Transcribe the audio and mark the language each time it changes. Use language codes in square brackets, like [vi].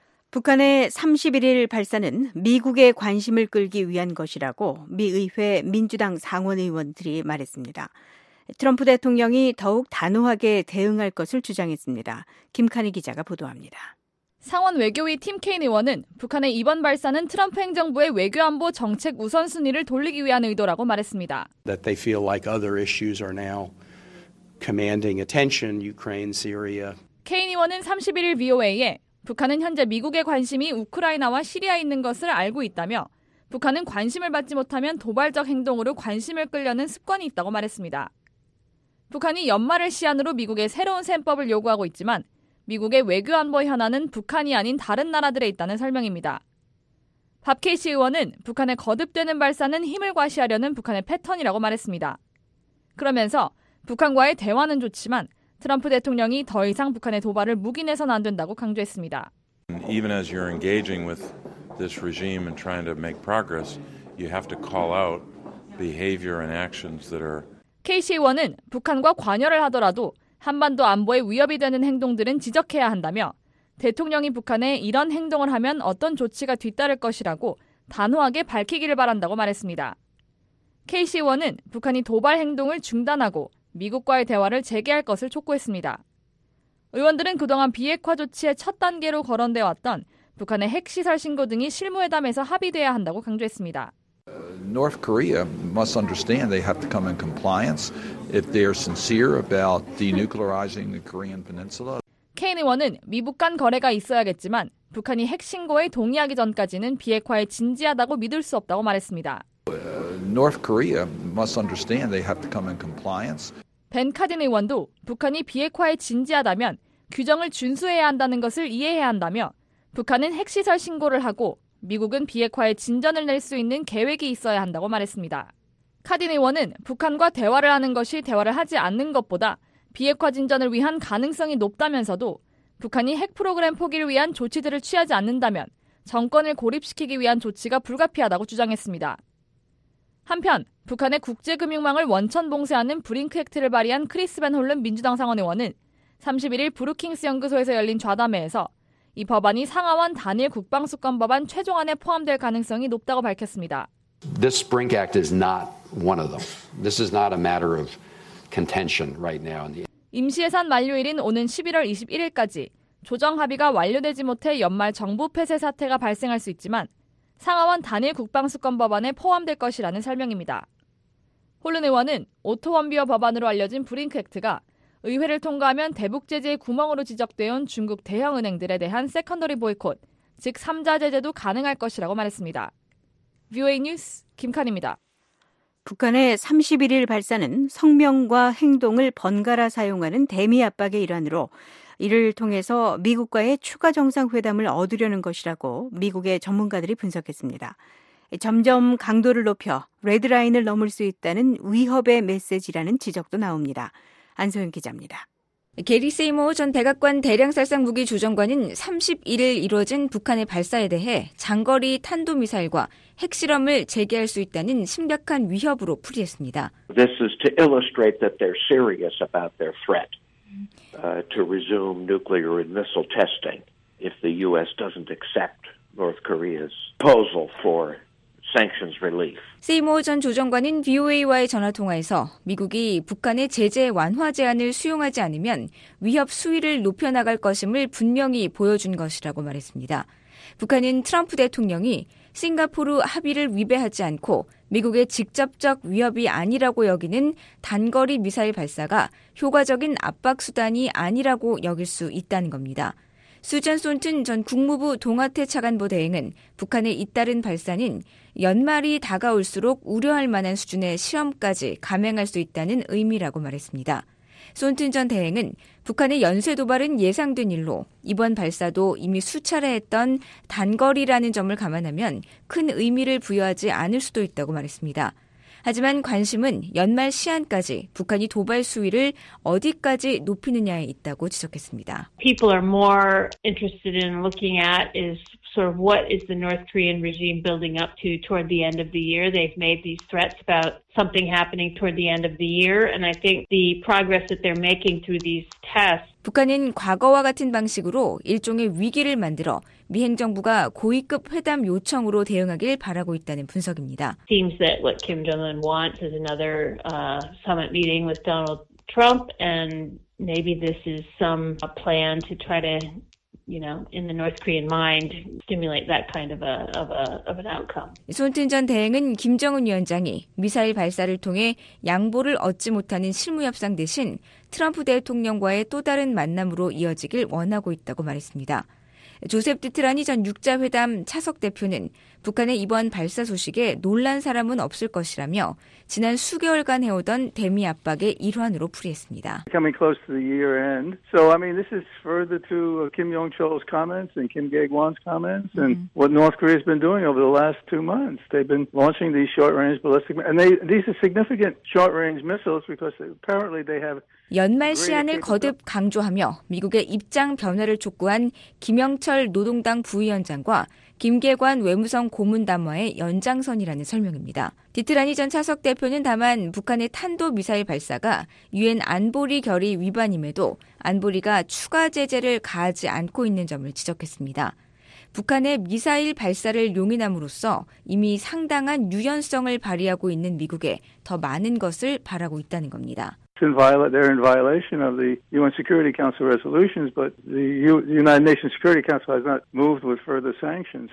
[ko] 북한의 31일 발사는 미국의 관심을 끌기 위한 것이라고 미 의회 민주당 상원의원들이 말했습니다. 트럼프 대통령이 더욱 단호하게 대응할 것을 주장했습니다. 김카니 기자가 보도합니다. 상원 외교위 팀 케인 의원은 북한의 이번 발사는 트럼프 행정부의 외교안보 정책 우선순위를 돌리기 위한 의도라고 말했습니다. [en] That they feel like other issues are now commanding attention, Ukraine, Syria. [ko] 케인 의원은 31일 VOA에 북한은 현재 미국의 관심이 우크라이나와 시리아에 있는 것을 알고 있다며 북한은 관심을 받지 못하면 도발적 행동으로 관심을 끌려는 습관이 있다고 말했습니다. 북한이 연말을 시한으로 미국의 새로운 셈법을 요구하고 있지만 미국의 외교안보 현안은 북한이 아닌 다른 나라들에 있다는 설명입니다. 밥 케이시 의원은 북한의 거듭되는 발사는 힘을 과시하려는 북한의 패턴이라고 말했습니다. 그러면서 북한과의 대화는 좋지만 트럼프 대통령이 더 이상 북한의 도발을 묵인해서는 안 된다고 강조했습니다. [en] Even as you're engaging with this regime and trying to make progress, you have to call out behavior and actions that are. [ko] KC 의원은 북한과 관여를 하더라도 한반도 안보에 위협이 되는 행동들은 지적해야 한다며 대통령이 북한에 이런 행동을 하면 어떤 조치가 뒤따를 것이라고 단호하게 밝히기를 바란다고 말했습니다. KC 의원은 북한이 도발 행동을 중단하고 미국과의 대화를 재개할 것을 촉구했습니다. 의원들은 그동안 비핵화 조치의 첫 단계로 거론되어 왔던 북한의 핵시설 신고 등이 실무회담에서 합의돼야 한다고 강조했습니다. [en] North Korea must understand they have to come in compliance if they are sincere about denuclearizing the Korean Peninsula. [ko] 케인 의원은 미북 간 거래가 있어야겠지만 북한이 핵신고에 동의하기 전까지는 비핵화에 진지하다고 믿을 수 없다고 말했습니다. [en] North Korea must understand they have to come in compliance. [ko] 벤 카딘 의원도 북한이 비핵화에 진지하다면 규정을 준수해야 한다는 것을 이해해야 한다며 북한은 핵시설 신고를 하고 미국은 비핵화에 진전을 낼 수 있는 계획이 있어야 한다고 말했습니다. 카딘 의원은 북한과 대화를 하는 것이 대화를 하지 않는 것보다 비핵화 진전을 위한 가능성이 높다면서도 북한이 핵 프로그램 포기를 위한 조치들을 취하지 않는다면 정권을 고립시키기 위한 조치가 불가피하다고 주장했습니다. 한편 북한의 국제금융망을 원천 봉쇄하는 브링크 액트를 발의한 크리스 밴 홀른 민주당 상원 의원은 31일 브루킹스 연구소에서 열린 좌담회에서 이 법안이 상하원 단일 국방수권법안 최종안에 포함될 가능성이 높다고 밝혔습니다. [en] This Brink Act is not one of them. This is not a matter of contention right now. [ko] 임시예산 만료일인 오는 11월 21일까지 조정 합의가 완료되지 못해 연말 정부 폐쇄 사태가 발생할 수 있지만 상하원 단일 국방수권법안에 포함될 것이라는 설명입니다. 홀른 의원은 오토 원비어 법안으로 알려진 브링크 액트가 의회를 통과하면 대북 제재의 구멍으로 지적되어 온 중국 대형 은행들에 대한 세컨더리 보이콧, 즉 3자 제재도 가능할 것이라고 말했습니다. VOA 뉴스 김칸입니다. 북한의 31일 발사는 성명과 행동을 번갈아 사용하는 대미 압박의 일환으로 이를 통해서 미국과의 추가 정상회담을 얻으려는 것이라고 미국의 전문가들이 분석했습니다. 점점 강도를 높여 레드라인을 넘을 수 있다는 위협의 메시지라는 지적도 나옵니다. 안소영 기자입니다. 게리 세이머 전 백악관 대량살상무기 조정관은 31일 이뤄진 북한의 발사에 대해 장거리 탄도미사일과 핵실험을 재개할 수 있다는 심각한 위협으로 풀이했습니다. [en] This is to illustrate that they're serious about their threat to resume nuclear and missile testing if the U.S. doesn't accept North Korea's proposal for sanctions relief. [ko] 세이모 전 조정관은 VOA와의 전화통화에서 미국이 북한의 제재 완화 제안을 수용하지 않으면 위협 수위를 높여나갈 것임을 분명히 보여준 것이라고 말했습니다. 북한은 트럼프 대통령이 싱가포르 합의를 위배하지 않고 미국의 직접적 위협이 아니라고 여기는 단거리 미사일 발사가 효과적인 압박 수단이 아니라고 여길 수 있다는 겁니다. 수잔 솔튼 전 국무부 동아태 차관보 대행은 북한의 잇따른 발사는 연말이 다가올수록 우려할 만한 수준의 실험까지 감행할 수 있다는 의미라고 말했습니다. 솔튼 전 대행은 북한의 연쇄 도발은 예상된 일로 이번 발사도 이미 수차례 했던 단거리라는 점을 감안하면 큰 의미를 부여하지 않을 수도 있다고 말했습니다. 하지만 관심은 연말 시한까지 북한이 도발 수위를 어디까지 높이느냐에 있다고 지적했습니다. [en] People are more interested in looking at is sort of what is the North Korean regime building up to toward the end of the year. They've made these threats about something happening toward the end of the year, and I think the progress that they're making through these tests. [ko] 북한은 과거와 같은 방식으로 일종의 위기를 만들어 미 행정부가 고위급 회담 요청으로 대응하길 바라고 있다는 분석입니다. [en] Seems that what Kim Jong-un wants is another summit meeting with Donald Trump, and maybe this is some plan to try to, you know, in the North Korean mind, stimulate that kind of an outcome. [ko] 손튼 전 대행은 김정은 위원장이 미사일 발사를 통해 양보를 얻지 못하는 실무 협상 대신 트럼프 대통령과의 또 다른 만남으로 이어지길 원하고 있다고 말했습니다. 조셉 디트라니 전 6자회담 차석 대표는 북한의 이번 발사 소식에 놀란 사람은 없을 것이라며 지난 수개월간 해오던 대미 압박의 일환으로 풀이했습니다. [en] Coming close to the year end. So I mean this is further to Kim Jong-chol's comments and Kim Gae-gwan's comments and what North Korea's been doing over the last two months. They've been launching these short-range ballistic and these are significant short-range missiles because apparently they have [ko] 연말 시한을 거듭 강조하며 미국의 입장 변화를 촉구한 김영철 노동당 부위원장과 김계관 외무성 고문담화의 연장선이라는 설명입니다. 디트라니 전 차석 대표는 다만 북한의 탄도미사일 발사가 유엔 안보리 결의 위반임에도 안보리가 추가 제재를 가하지 않고 있는 점을 지적했습니다. 북한의 미사일 발사를 용인함으로써 이미 상당한 유연성을 발휘하고 있는 미국에 더 많은 것을 바라고 있다는 겁니다. [en] They're in violation of the UN Security Council resolutions, but the United Nations Security Council has not moved with further sanctions.